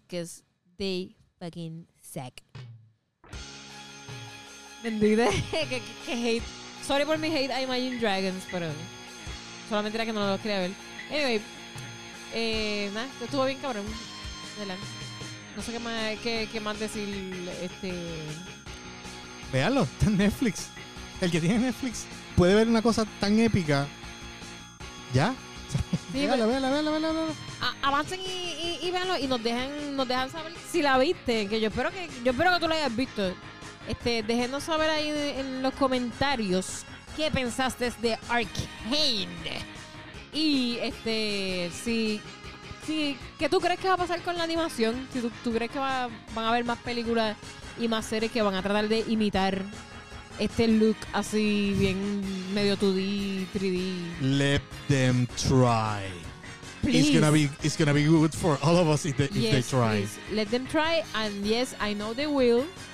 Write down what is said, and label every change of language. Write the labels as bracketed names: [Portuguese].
[English] Because they fucking suck. [Spanish] Bendita, que hate. Sorry por mi hate a Imagine Dragons, pero solamente era que no lo quería ver. Anyway, nada, estuvo bien cabrón. Adelante. No sé qué más decir. Véalo, está en Netflix. El que tiene Netflix puede ver una cosa tan épica. ¿Ya? Sí, véalo. Avancen y véanlo y nos dejan saber si la viste. Que yo espero que tú la hayas visto. Déjenos saber ahí en los comentarios qué pensaste de Arcane. Y si qué tú crees que va a pasar con la animación. Si tú crees que van a haber más películas y más series que van a tratar de imitar este look así bien medio 2D, 3D. [English] Let them try. Please. It's gonna be good for all of us if they try. Please. Let them try, and yes, I know they will.